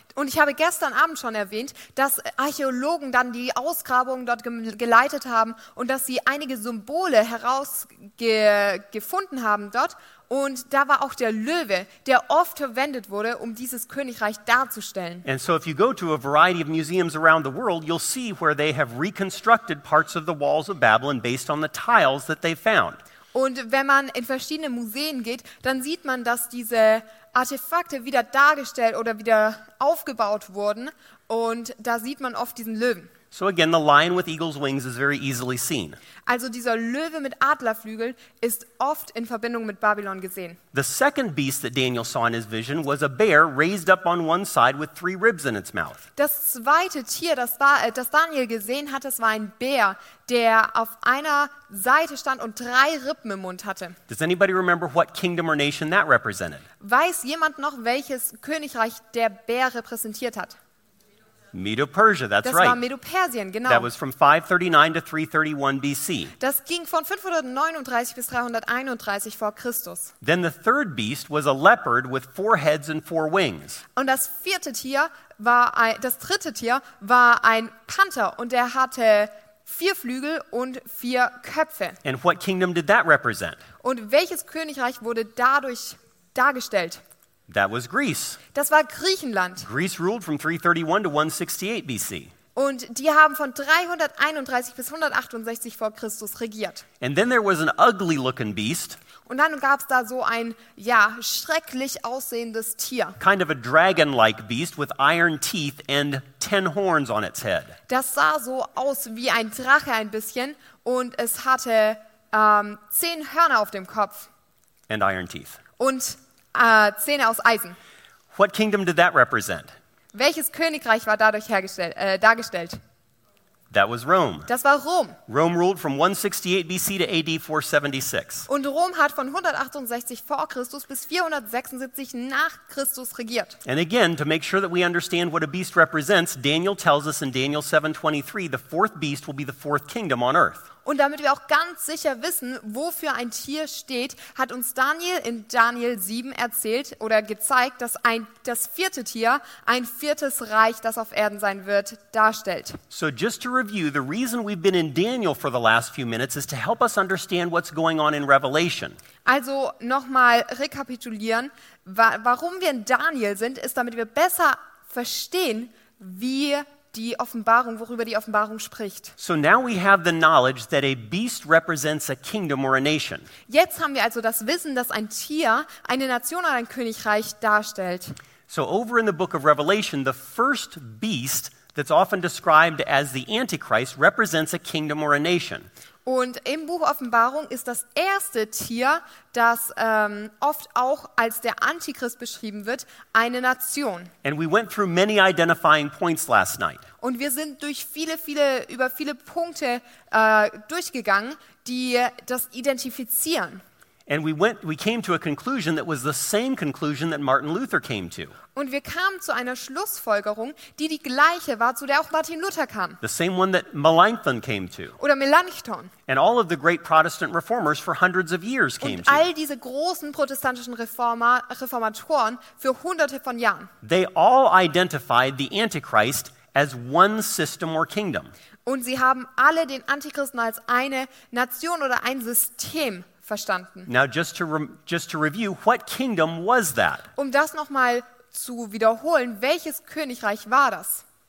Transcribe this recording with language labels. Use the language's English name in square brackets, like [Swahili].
[German] Und ich habe gestern Abend schon erwähnt, dass Archäologen dann die Ausgrabungen dort geleitet haben und dass sie einige Symbole herausgefunden haben dort. Und da war auch der Löwe, der oft verwendet wurde, um dieses Königreich darzustellen. [English] And so if you go to a variety of museums around the world, you'll see where they have reconstructed parts of the walls of Babylon based on the tiles that they found. [German] Und wenn man in verschiedene Museen geht, dann sieht man, dass diese Artefakte wieder dargestellt oder wieder aufgebaut wurden. Und da sieht man oft diesen Löwen. [English] So again, the lion with eagle's wings is very easily seen. [German] Also dieser Löwe mit Adlerflügeln ist oft in Verbindung mit Babylon gesehen. [English] The second beast that Daniel saw in his vision was a bear raised up on one side with three ribs in its mouth. [German] Das zweite Tier, das Daniel gesehen hat, das war ein Bär, der auf einer Seite stand und drei Rippen im Mund hatte. [English] Does anybody remember what kingdom or nation that represented? [German] Weiß jemand noch, welches Königreich der Bär repräsentiert hat? [English] Medo-Persia, that's [German] das [English] right. [German] Das war Medo-Persien, genau. [English] That was from 539 to 331 BC. [German] Das ging von 539 bis 331 vor Christus. [English] Then the third beast was a leopard with four heads and four wings. [German] Und das vierte Tier war ein, das dritte Tier war ein Panther und er hatte vier Flügel und vier Köpfe. [English] And what kingdom did that represent? [German] Und welches Königreich wurde dadurch dargestellt? [English] That was Greece. [German] Das war Griechenland. [English] Greece ruled from 331 to 168 BC. [German] Und die haben von 331 bis 168 vor Christus regiert. [English] And then there was an ugly looking beast. [German] Und dann gab es da so ein, ja, schrecklich aussehendes Tier. [English] Kind of a dragon-like beast with iron teeth and 10 horns on its head. [German] Das sah so aus wie ein Drache ein bisschen und es hatte 10 Hörner auf dem Kopf. [English] And iron teeth. [German] Und Zähne aus Eisen. [English] What kingdom did that represent? [German] Welches Königreich war dadurch hergestellt, dargestellt? [English] That was Rome. [German] Das war Rom. [English] Rome ruled from 168 BC to AD 476. [German] Und Rom hat von 168 vor Christus bis 476 nach Christus regiert. [English] And again, to make sure that we understand what a beast represents, Daniel tells us in Daniel 7:23, the fourth beast will be the fourth kingdom on earth. [German] Und damit wir auch ganz sicher wissen, wofür ein Tier steht, hat uns Daniel in Daniel 7 erzählt oder gezeigt, dass ein, das vierte Tier ein viertes Reich, das auf Erden sein wird, darstellt. [English] So just to review, the reason we've been in Daniel for the last few minutes is to help us understand what's going on in Revelation. [German] Also nochmal rekapitulieren, warum wir in Daniel sind, ist, damit wir besser verstehen, wie die Offenbarung, worüber die Offenbarung spricht. [English] So now we have the knowledge that a beast represents a kingdom or a nation. [German] Jetzt haben wir also das Wissen, dass ein Tier eine Nation oder ein Königreich darstellt. [English] So over in the book of Revelation, the first beast that's often described as the Antichrist represents a kingdom or a nation. [German] Und im Buch Offenbarung ist das erste Tier, das oft auch als der Antichrist beschrieben wird, eine Nation. [English] And we went through many identifying points last night. [German] Und wir sind durch viele Punkte durchgegangen, die das identifizieren. [English] And we came to a conclusion that was the same conclusion that Martin Luther came to. [German] Und wir kamen zu einer Schlussfolgerung, die die gleiche war, zu der auch Martin Luther kam. [English] The same one that Melanchthon came to. [German] Oder Melanchthon. [English] And all of the great Protestant reformers for hundreds of years came to. [German] Und all diese großen protestantischen Reformatoren für hunderte von Jahren. [English] They all identified the Antichrist as one system or kingdom. [German] Und sie haben alle den Antichristen als eine Nation oder ein System verstanden. [English] Now just to review, what kingdom was that? [German] Um das noch mal zu wiederholen, welches Königreich war das?